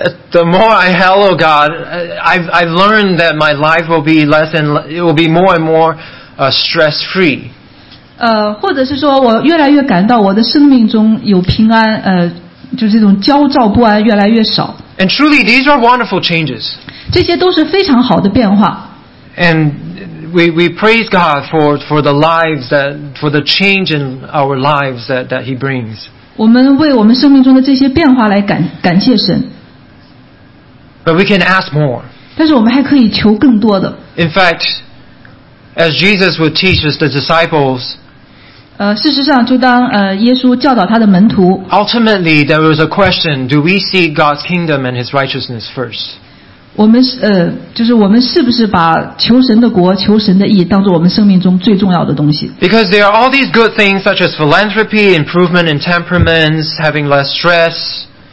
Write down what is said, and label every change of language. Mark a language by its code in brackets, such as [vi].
[en] The more I hallow God, I've learned that my life will be less and it will be more and more stress free. [zh] 或者是说我越来越感到我的生命中有平安，就是这种焦躁不安越来越少。 [en] And truly, these are wonderful changes. [zh] 这些都是非常好的变化。 [en] And we praise God for the lives that for the change in our lives that He brings. [zh] 我们为我们生命中的这些变化来感谢神。 [en] But we can ask more. [zh] 但是我们还可以求更多的。 [en] In fact, as Jesus would teach us the disciples, [zh] 事实上就当耶稣教导他的门徒。 [en] Ultimately, there was a question: Do we see God's kingdom and His righteousness first? [zh] 我们就是我们是不是把求神的国、求神的义当作我们生命中最重要的东西 [en] ？Because there are all these good things such as philanthropy, improvement in temperaments, having less stress.